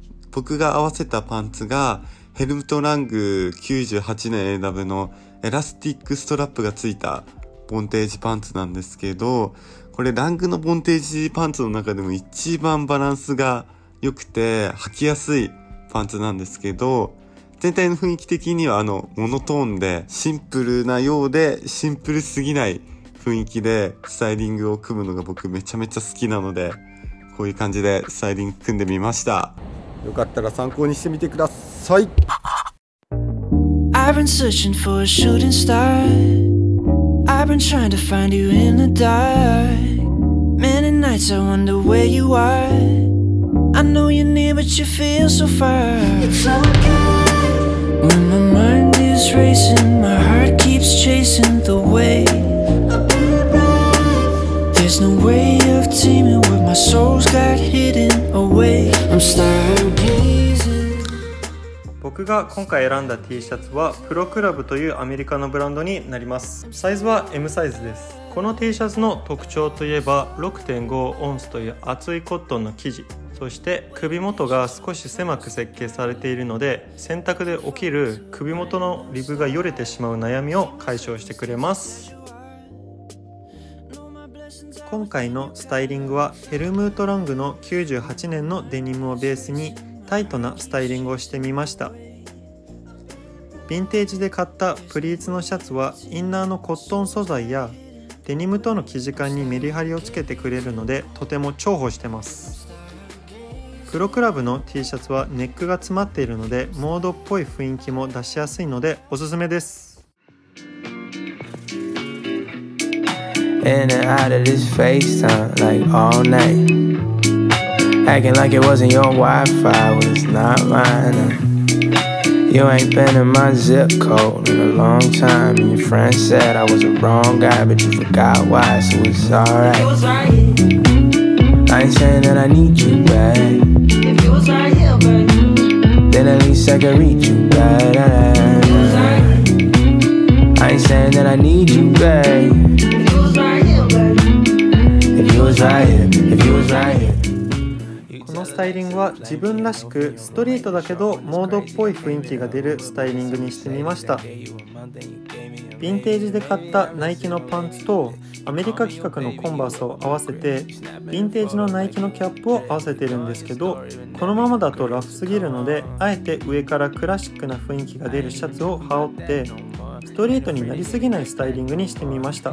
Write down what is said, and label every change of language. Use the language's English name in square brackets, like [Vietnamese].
[Japanese] 僕が合わせたパンツがヘルムトラング98年 AW のエラスティックストラップがついたボンテージパンツなんですけど、これラングのボンテージパンツの中でも一番バランスが良くて履きやすいパンツなんですけど、全体の雰囲気的にはモノトーンでシンプルなようでシンプルすぎない雰囲気でスタイリングを組むのが僕めちゃめちゃ好きなので、こういう感じでスタイリング組んでみました。よかったら参考にしてみてください。 [English] I've been searching for a shooting star. I've been trying to find you in the dark. Many nights I wonder where you are. I know you're near but you feel so far. It's okayWhen my mind is racing, my heart keeps chasing the way. There's no way of taming what my soul's got hidden away. I'm stargazing. [Japanese] 僕が今回選んだ T シャツはプロクラブというアメリカのブランドになります。サイズは M サイズです。この T シャツの特徴といえば 6.5 オンスという厚いコットンの生地、そして首元が少し狭く設計されているので洗濯で起きる首元のリブがよれてしまう悩みを解消してくれます。今回のスタイリングはヘルムートロングの98年のデニムをベースにタイトなスタイリングをしてみました。ヴィンテージで買ったプリーツのシャツはインナーのコットン素材やデニムとの生地感にメリハリをつけてくれるのでとても重宝してます。プロクラブの T シャツはネックが詰まっているのでモードっぽい雰囲気も出しやすいのでおすすめです。 [English] In and out of this FaceTime like all night. Acting like it wasn't your Wi-Fi when it's not mine. You ain't been in my zip code in a long time. And your friend said I was the wrong guy, but you forgot why, so it's alright. I ain't saying that I need you back. Then at least I can reach you, right? I ain't saying that I need you, babe. If you was right here, baby. If you was right here, if you was right here. [Japanese] このスタイリングは自分らしくストリートだけどモードっぽい雰囲気が出るスタイリングにしてみました。ヴィンテージで買ったナイキのパンツとアメリカ規格のコンバースを合わせてヴィンテージのナイキのキャップを合わせてるんですけど、このままだとラフすぎるのであえて上からクラシックな雰囲気が出るシャツを羽織ってストリートになりすぎないスタイリングにしてみました。